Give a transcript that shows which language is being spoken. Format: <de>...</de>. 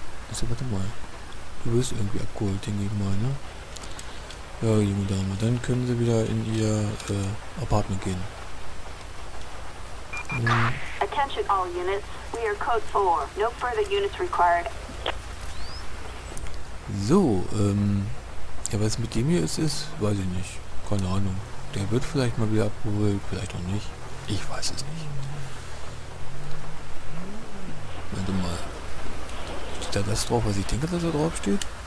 <de>Also warte mal. Du wirst irgendwie abgeholt, denke ich mal, ne? Ja, junge Dame, dann können sie wieder in ihr Apartment gehen.</de> <en>Attention all units, we are code 4. No further units required.</en> <de>So, ja, was mit dem hier ist, weiß ich nicht. Keine Ahnung. Der wird vielleicht mal wieder abgeholt, vielleicht auch nicht. Ich weiß es nicht. Warte mal. Steht da das drauf, was ich denke, dass da drauf steht?</de>